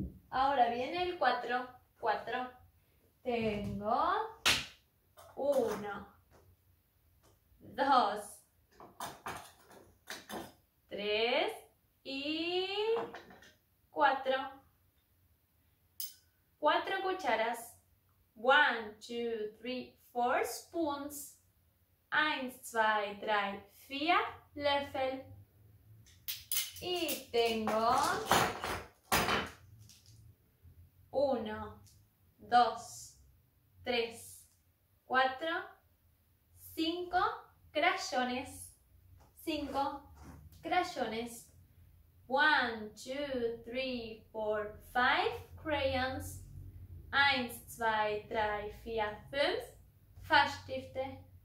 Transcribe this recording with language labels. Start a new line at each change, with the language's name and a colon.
Spanish: Ahora viene el cuatro. Cuatro. Tengo uno, dos, tres y cuatro. Cuatro cucharas.
English: One, two, three, four spoons.
German: Eins, zwei, drei, vier Löffel.
Spanish: Y tengo uno, dos, tres, cuatro, cinco crayones. Cinco crayones.
English: One, two, three, four, five crayons.
German: Eins, zwei, drei, vier, fünf Farbstifte.